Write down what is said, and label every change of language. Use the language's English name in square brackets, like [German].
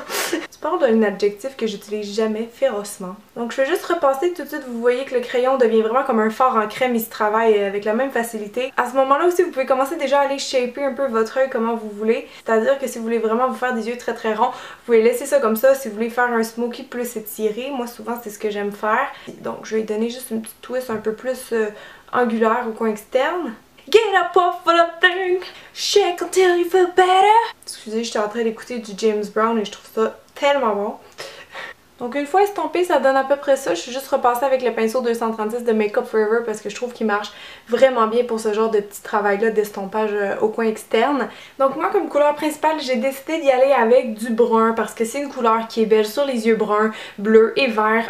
[French] Tu parles d'un adjectif que j'utilise jamais, férocement. Donc je vais juste repasser tout de suite, vous voyez que le crayon devient vraiment comme un fard en crème, il se travaille avec la même facilité. À ce moment-là aussi, vous pouvez commencer déjà à aller shaper un peu votre œil comme vous voulez. C'est-à-dire que si vous voulez vraiment vous faire des yeux très très ronds, vous pouvez laisser ça comme ça. Si vous voulez faire un smoky plus étiré, moi souvent c'est ce que j'aime faire. Donc je vais donner juste une petite twist un peu plus angulaire au coin externe. [English] Get up off of the thing, shake until you feel better. [French] Excusez, j'étais en train d'écouter du James Brown et je trouve ça tellement bon. Donc une fois estompé, ça donne à peu près ça. Je suis juste repassée avec le pinceau 236 de Make Up Forever parce que je trouve qu'il marche vraiment bien pour ce genre de petit travail-là d'estompage au coin externe. Donc moi, comme couleur principale, j'ai décidé d'y aller avec du brun parce que c'est une couleur qui est belle sur les yeux bruns, bleus et verts.